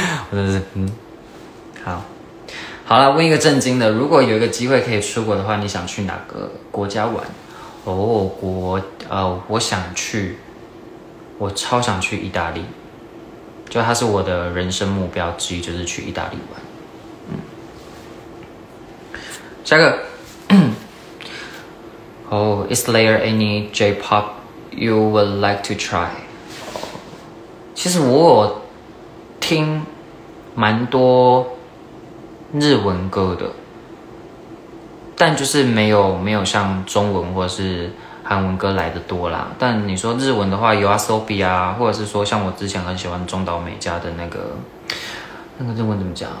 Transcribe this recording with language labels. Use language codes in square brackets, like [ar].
[zh] 我真的是，好，好了，问一个正经的，如果有一个机会可以出国的话，你想去哪个国家玩？哦，我想去，我超想去意大利，就它是我的人生目标之一，就是去意大利玩。嗯，下一个， [en] is there any J-pop you would like to try？ [zh] 其实我听蛮多日文歌的，但就是没有像中文或是韩文歌来的多啦。但你说日文的话，有 ASOBI 啊，或者是说像我之前很喜欢中岛美嘉的那个日文怎么讲？